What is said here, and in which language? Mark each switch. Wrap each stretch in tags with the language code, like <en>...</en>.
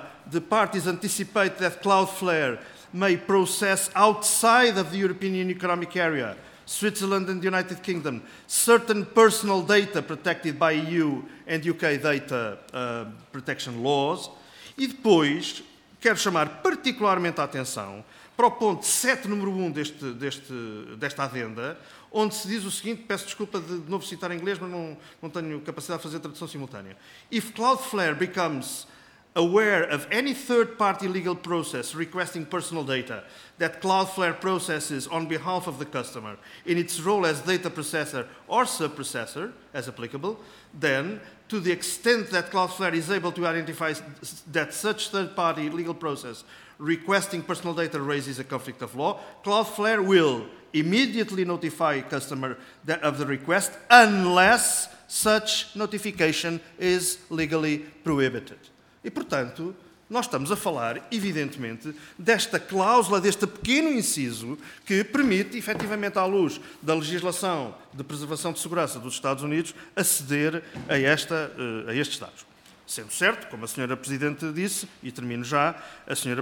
<en>the parties anticipate that Cloudflare may process outside of the European Union Economic Area, Switzerland and the United Kingdom, certain personal data protected by EU and UK data protection laws.</en> <pt>E depois, quero chamar particularmente a atenção para o ponto 7, número 1 desta adenda, onde se diz o seguinte, peço desculpa de novo citar em inglês, mas não tenho capacidade de fazer tradução simultânea.</pt> <en>If Cloudflare becomes aware of any third-party legal process requesting personal data that Cloudflare processes on behalf of the customer in its role as data processor or sub-processor, as applicable, then, to the extent that Cloudflare is able to identify that such third-party legal process requesting personal data raises a conflict of law, Cloudflare will immediately notify customer of the request unless such notification is legally prohibited.</en> <pt>E, portanto, nós estamos a falar, evidentemente, desta cláusula, deste pequeno inciso, que permite, efetivamente, à luz da legislação de preservação de segurança dos Estados Unidos, aceder a estes dados. Sendo certo, como a Sra. Presidente disse, e termino já, a Sra.</pt>